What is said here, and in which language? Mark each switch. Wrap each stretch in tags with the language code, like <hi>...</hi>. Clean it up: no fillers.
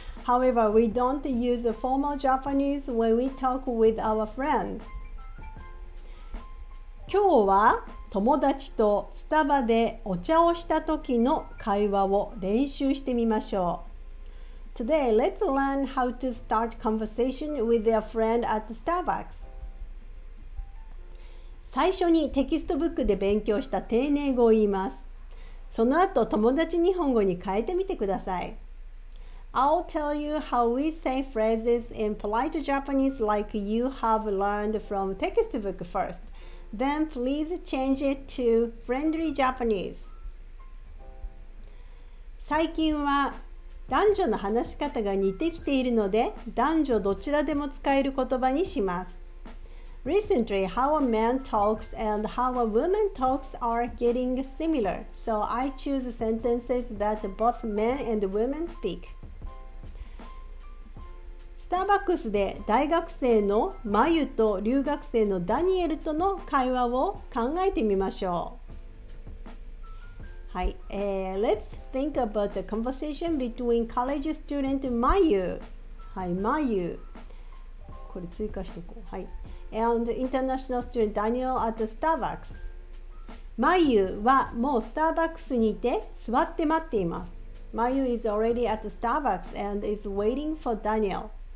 <en>However, we don't use formal Japanese when we talk with our friends.</en> <ja>今日は友達とスタバでお茶をした時の会話を練習してみましょう。</ja> <en>Today, let's learn how to start conversation with your friend at Starbucks.</en> <ja>最初にテキストブックで勉強した丁寧語を言います。その後、友達日本語に変えてみてください。</ja> <en>I'll tell you how we say phrases in polite Japanese like you have learned from textbook first. Then please change it to friendly Japanese.</en> <ja>最近は男女の話し方が似てきているので、男女どちらでも使える言葉にします。</ja> <en>Recently, how a man talks and how a woman talks are getting similar, so I choose sentences that both men and women speak.</en> <ja>スターバックスで大学生のマユと留学生のダニエルとの会話を考えてみましょう。</ja> <en>はい、Let's think about a conversation between college student Mayu.</en> <ja>はい、Mayu。これ追加しておこう。はい。</ja> <en>And international student Daniel at the Starbucks.</en> <ja>Mayu はもうスターバックスにいて座って待っています。</ja> <en>Mayu is already at the Starbucks and is waiting for Daniel.</en>